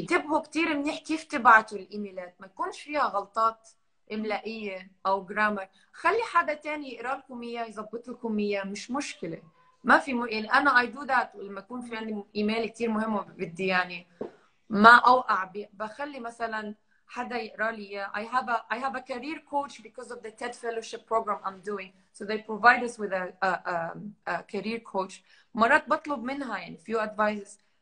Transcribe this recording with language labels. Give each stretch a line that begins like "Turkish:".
Arabic: انتبهوا كتير منيح كيف تبعتوا الإيميلات, ما يكونش فيها غلطات إملائية أو جرامر. خلي حدا تاني يقرأ لكم إياه, يزبط لكم إياه, مش مشكلة. ما في يعني أنا
English: I do that
Arabic: لما يكون في عندي إيميل كتير مهم وبدي يعني ما أوقع بخلي مثلا حدا يقرأ لي إياه.
English: I have a career coach because of the TED fellowship program I'm doing, so they provide us with a career coach.
Arabic: مرات بطلب منها يعني
English: few advices.